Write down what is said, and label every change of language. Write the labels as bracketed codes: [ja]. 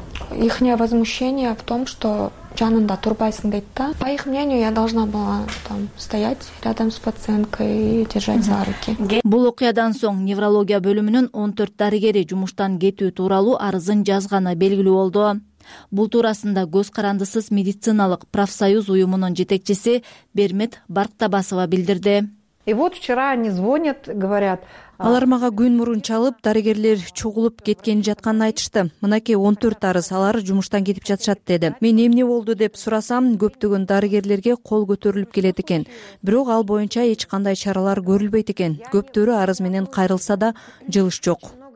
[ru] Ихнее возмущение в том, что [ky] жанында турбайсың дейт да. [ru] По их мнению, я должна была там стоять рядом с пациенткой и держать за руки. [ky] Бул окуядан соң неврология бөлүмүнүн 14 дарыгери жумуштан кетүү тууралуу арызын жазганы белгилүү болду. Бул туурасында көз карандысыз медициналык профсоюз уюмунун жетекчиси Бермет Барктабасова билдирди. [ru] И вот вчера они звонят, говорят. [ky] Алар мага күн мурун чалып, дарыгерлер чогулуп кеткен жатканын айтышты. Мынакей 14 арыз, алар жумуштан кетип жатышат деди. Мен эмне болду деп сурасам, көптөгөн дарыгерлерге кол көтөрүлүп келет экен. Бирок ал боюнча эч кандай чаралар көрүлбөйт экен. Көптөрү арыз менен кайрылса да, жылыш жок.